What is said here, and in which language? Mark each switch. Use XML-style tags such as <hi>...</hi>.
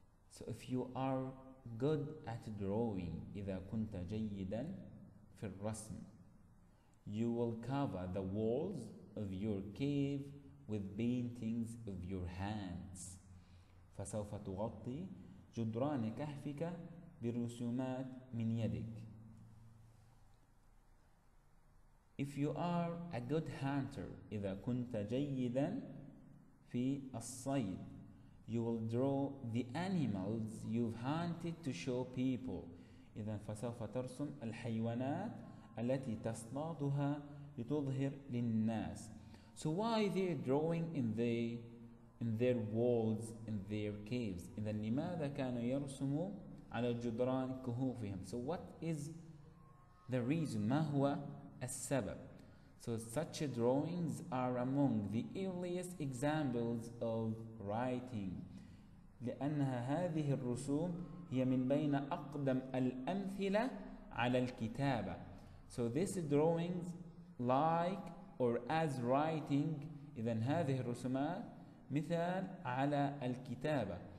<en>So if you are good at drawing,</en> <ar>إذا كنت جيدا في الرسم,</ar> <en>you will cover the walls of your cave with paintings of your hands.</en> <ar>فسوف تغطي جدران كهفك برسومات من يدك.</ar> <en>If you are a good hunter,</en> <ar>إذا كنت جيدا في الصيد,</ar> <en>you will draw the animals you've hunted to show people.</en> <ar>إذا فسوف ترسم الحيوانات التي تصطادها لتظهر للناس.</ar> <en>So why they're drawing in their walls, in their caves?</en> <ar>إذا لماذا كانوا يرسموا على جدران كهوفهم?</ar> <en>So what is the reason?</en> <ar>ما هو السبب?</ar> <en>So such drawings are among the earliest examples of writing.</en> <ar>لأنها هذه الرسوم هي من بين أقدم الأمثلة على الكتابة.</ar> <en>So these drawings like or as writing,</en> <ar>إذن هذه الرسومات مثال على الكتابة.</ar>